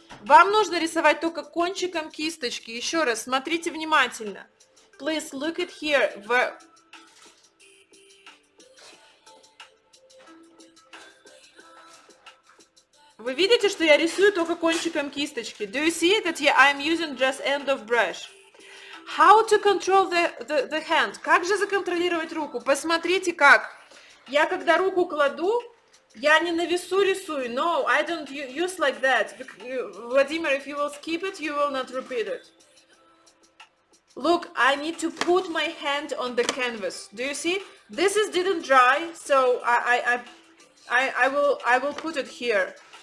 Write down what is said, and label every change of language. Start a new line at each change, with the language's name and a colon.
Russian: Вам нужно рисовать только кончиком кисточки. Еще раз, смотрите внимательно.
English: Please look at here.
Russian: Вы видите, что я рисую только кончиком кисточки?
English: Do you see that I'm using just end of brush? How to control the hand?
Russian: Как же законтролировать руку? Посмотрите, как. Я когда руку кладу, я не на весу рисую.
English: No, I don't use like that. Vladimir, if you will skip it, you will not repeat it. Look, I need to put my hand on the canvas. Do you see? This is didn't dry, so I will put it here.